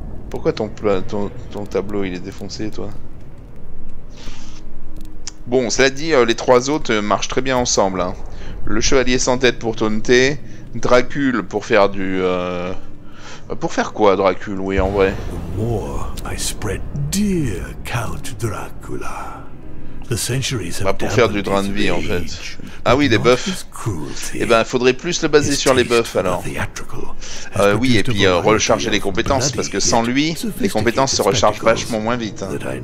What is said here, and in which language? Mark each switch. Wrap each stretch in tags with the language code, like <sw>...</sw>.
<fr>Pourquoi ton tableau, il est défoncé, toi? Bon, cela dit, les trois autres marchent très bien ensemble. Hein. Le chevalier sans tête pour taunter. Dracul pour faire du... Pour faire quoi, Dracul? Oui, en vrai.</fr> <en>The more I spread, dear Count Dracula. The centuries have...</en> <fr>Bah, pour faire du drain de vie, en fait. Ah oui, des buffs. Eh ben, faudrait plus le baser sur les buffs, alors. Oui, et puis recharger les compétences, parce que sans lui, les compétences se rechargent vachement moins vite. Hein.</fr>